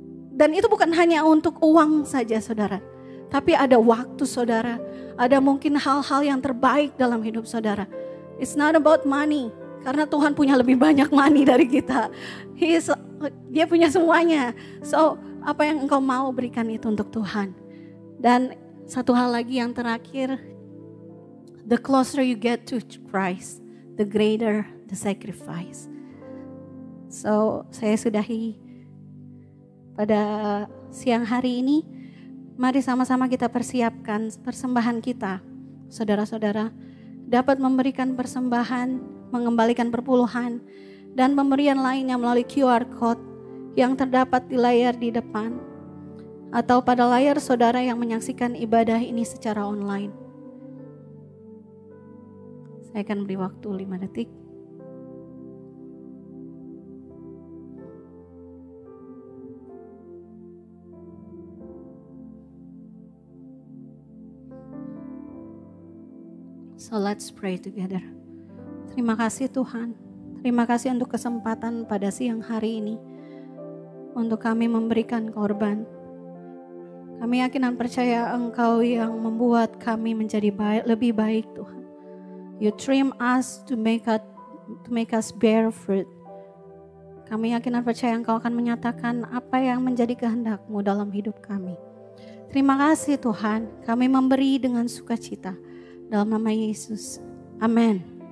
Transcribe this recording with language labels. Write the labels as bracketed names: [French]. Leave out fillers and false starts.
[Indonesian] Dan itu bukan hanya untuk uang saja saudara. Tapi ada waktu saudara. Ada mungkin hal-hal yang terbaik dalam hidup saudara. [English] It's not about money. [Indonesian] Karena Tuhan punya lebih banyak money dari kita. Dia punya semuanya. So apa yang engkau mau berikan itu untuk Tuhan. Dan satu hal lagi yang terakhir. [English] The closer you get to Christ, the greater the sacrifice. [Indonesian] So saya sudahi pada siang hari ini, mari sama-sama kita persiapkan persembahan kita. Saudara-saudara dapat memberikan persembahan, mengembalikan perpuluhan, dan pemberian lainnya melalui QR code yang terdapat di layar di depan atau pada layar saudara yang menyaksikan ibadah ini secara online. Saya akan beri waktu 5 detik. [English] So let's pray together. [Indonesian] Terima kasih Tuhan. Terima kasih untuk kesempatan pada siang hari ini untuk kami memberikan korban. Kami yakin dan percaya Engkau yang membuat kami menjadi baik, lebih baik Tuhan. [English] You trim us to make us bear fruit. [Indonesian] Kami yakin dan percaya Engkau akan menyatakan apa yang menjadi kehendak-Mu dalam hidup kami. Terima kasih Tuhan, kami memberi dengan sukacita. Dalam nama Yesus, amin.